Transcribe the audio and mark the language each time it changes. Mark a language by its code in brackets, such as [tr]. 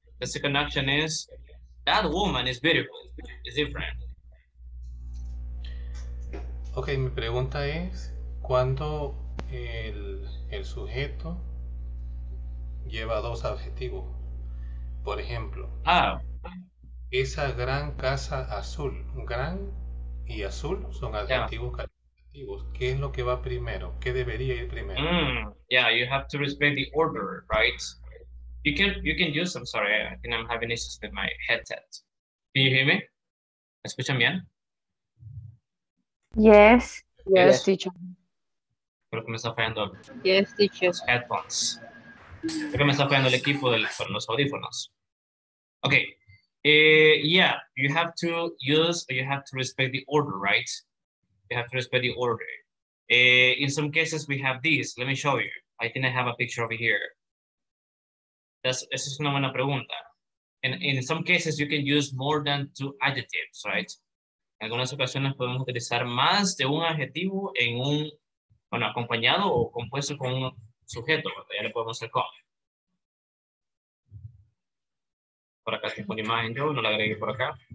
[en] The second action is, that woman is beautiful. It's different. [es] Okay, mi pregunta es, ¿cuándo el sujeto lleva dos adjetivos? Por ejemplo. Ah. Esa gran casa azul, gran y azul son adjetivos calificativos. ¿Qué es lo que va primero? ¿Qué debería ir primero? [en] Mm, yeah, you have to respect the order, right? You can use, I'm sorry, I think I'm having issues with my headset. Can you hear me? [es] ¿Escuchan bien? [en] Yes. Yes, teacher. [es] Creo que me está fallando. [en] Yes, teacher. [es] Los headphones. Creo que me está fallando el equipo de los audífonos. [en] Okay. Yeah, you have to use, or you have to respect the order, right? You have to respect the order. In some cases, we have this. Let me show you. I think I have a picture over here. [es] Esa es una buena pregunta. [en] In some cases, you can use more than two adjectives, right? [es] En algunas ocasiones, podemos utilizar más de un adjetivo en un, bueno, acompañado o compuesto con un sujeto. Ya le podemos hacer con. Por acá tengo una imagen, yo no la agregué por acá.